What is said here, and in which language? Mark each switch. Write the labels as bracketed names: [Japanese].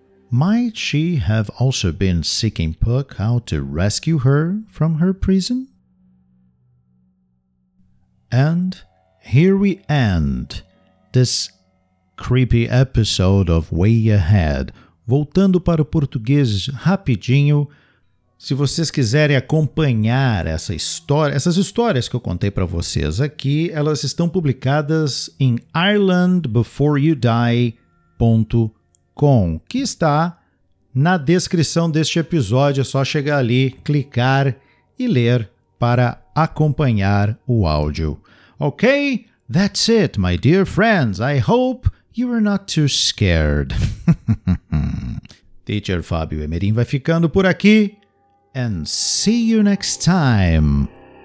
[English] Might she have also been seeking Puck out to rescue her from her prison? And here we end this creepy episode of Way Ahead. [Portuguese] Voltando para o português rapidinho, se vocês quiserem acompanhar essa história, essas histórias que eu contei para vocês aqui, elas estão publicadas em IrelandBeforeYouDie.com, que está na descrição deste episódio. É só chegar ali, clicar e ler para acompanhar o áudio. Ok? [English] That's it, my dear friends. I hope you are not too scared. [Portuguese] Teacher Fábio Emerim vai ficando por aqui. [English] And see you next time.